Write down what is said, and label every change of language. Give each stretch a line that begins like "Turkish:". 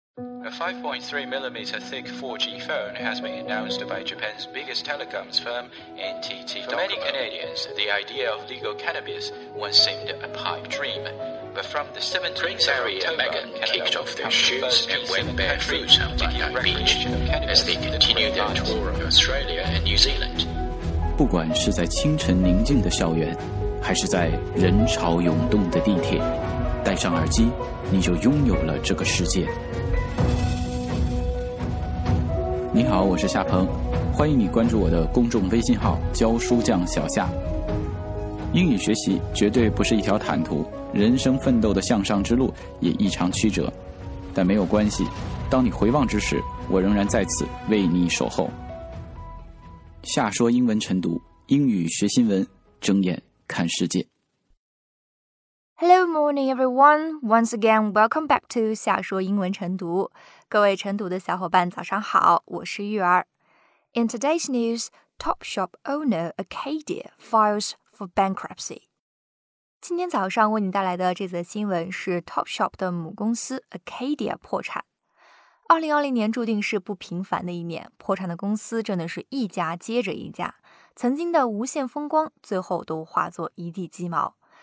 English: A 5.3mm thick 4G phone has been announced by Japan's biggest telecoms firm, NTT Docomo. For many Canadians, the idea of legal cannabis once seemed a pipe dream. But from the 17th of October, Megan kicked off their shoes and went barefoot on the beach as they continued their tour of Australia and New Zealand.
Chinese: 不管是在清晨宁静的校园，还是在人潮涌动的地铁，戴上耳机，你就拥有了这个世界。你好，我是夏鹏，欢迎你关注我的公众微信号“教书匠小夏”。英语学习绝对不是一条坦途，人生奋斗的向上之路也异常曲折，但没有关系，当你回望之时，我仍然在此为你守候。夏说英文晨读，英语学新闻，睁眼看世界。
English: Hello, morning, everyone. Once again, welcome back to 夏说英文晨读。
Chinese: 各位晨读的小伙伴，早上好，我是玉儿。
English: In today's news, Topshop owner Acadia files for bankruptcy.
Chinese: 今天早上为你带来的这则新闻是 Topshop 的母公司 Acadia 破产。 2020年注定是不平凡的一年，破产的公司真的是一家接着一家，曾经的无限风光最后都化作一地鸡毛。